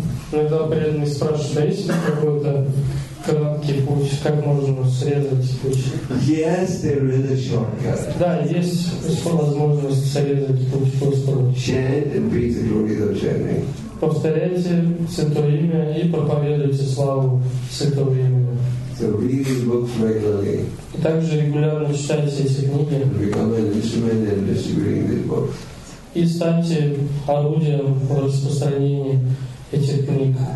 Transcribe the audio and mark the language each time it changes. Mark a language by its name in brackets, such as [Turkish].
[Russian] Иногда преданные спрашивают, а есть ли какой-то краткий путь, как можно срезать путь? [English] Yes, there is a shortcut. [Russian] Да, есть возможность срезать путь Господа. [English] Chant and preach the glory of chanting. [Russian] Повторяйте Святое Имя и проповедуйте славу Святого Имени. [English] So read these books regularly. [Russian] И также регулярно читайте эти книги. [English] Become an instrument in distributing these books. [Russian] И станьте орудием в распространении этих книг.